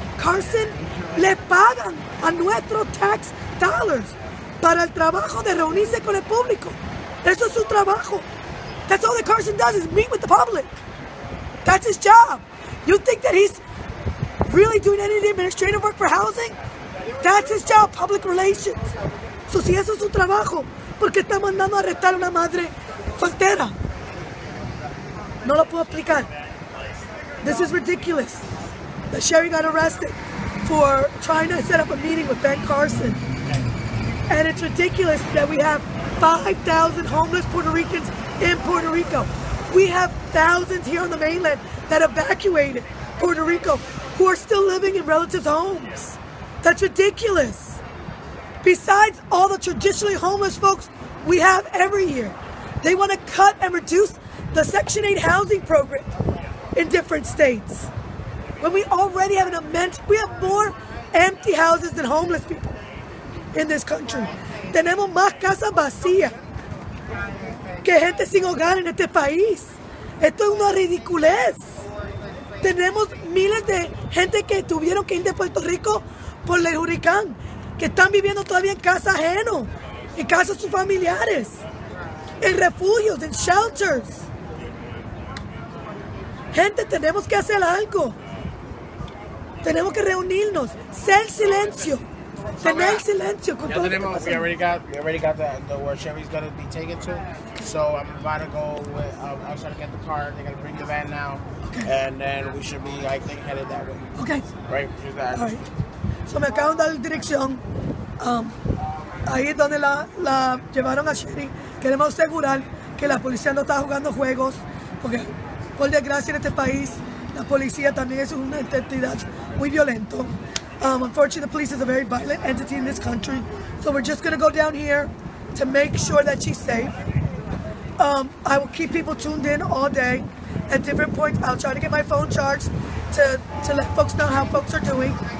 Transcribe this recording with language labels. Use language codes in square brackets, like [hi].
[es] Carson, le pagan a nuestro [en] tax dollars [es] para el trabajo de reunirse con el público. Eso es su trabajo. [en] That's all that Carson does is meet with the public. That's his job. You think that he's really doing any of the administrative work for housing? That's his job, public relations. [es] So si eso es su trabajo, ¿por qué está mandando a arrestar a una madre soltera? No lo puedo explicar. [en] This is ridiculous. The Cheri got arrested for trying to set up a meeting with Ben Carson. And it's ridiculous that we have 5,000 homeless Puerto Ricans in Puerto Rico. We have thousands here on the mainland that evacuated Puerto Rico who are still living in relatives' homes. That's ridiculous. Besides all the traditionally homeless folks we have every year, they want to cut and reduce the Section 8 housing program in different states. When we already have an immense, we have more empty houses than homeless people in this country. [es] Tenemos más casas vacías que gente sin hogar en este país. Esto es una ridiculez. Tenemos miles de gente que tuvieron que ir de Puerto Rico por el huracán, que están viviendo todavía en casa ajeno, en casa de sus familiares, en refugios, en shelters. Gente, tenemos que hacer algo. Tenemos que reunirnos, ser silencio. So tenemos silencio. [en] We already got the where Cheri's gonna be taken to. So I'm about to go with, I'm trying to get the car. They're gonna bring the van now. Okay. And then we should be, I think, headed that way. Okay. Right? Here's that. All right. [es] So me acaban de dar dirección. Ahí es donde la llevaron a Cheri. Queremos asegurar que la policía no está jugando juegos. Porque, por desgracia, en este país, la policía también es una entidad muy violenta. [en] Unfortunately, the police is a very violent entity in this country. So we're just going to go down here to make sure that she's safe. I will keep people tuned in all day. At different points, I'll try to get my phone charged to let folks know how folks are doing.